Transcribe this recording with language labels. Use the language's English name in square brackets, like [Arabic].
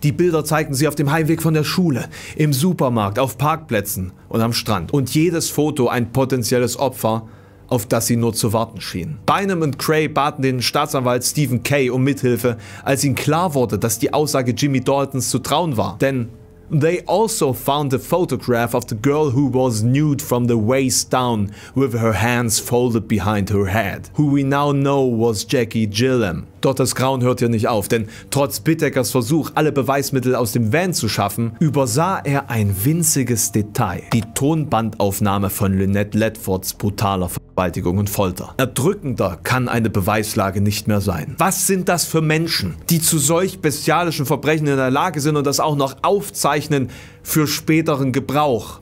[German] Die Bilder zeigten sie auf dem Heimweg von der Schule, im Supermarkt, auf Parkplätzen und am Strand. Und jedes Foto ein potenzielles Opfer, auf das sie nur zu warten schienen. Bynum und Cray baten den Staatsanwalt Stephen Kay um Mithilfe, als ihnen klar wurde, dass die Aussage Jimmy Daltons zu trauen war. [English] Denn they also found a photograph of the girl who was nude from the waist down with her hands folded behind her head, who we now know was Jackie Gillam. [German] Doch das Grauen hört hier nicht auf, denn trotz Bittakers Versuch, alle Beweismittel aus dem Van zu schaffen, übersah er ein winziges Detail. Die Tonbandaufnahme von Lynette Ledfords brutaler Vergewaltigung und Folter. Erdrückender kann eine Beweislage nicht mehr sein. Was sind das für Menschen, die zu solch bestialischen Verbrechen in der Lage sind und das auch noch aufzeichnen für späteren Gebrauch?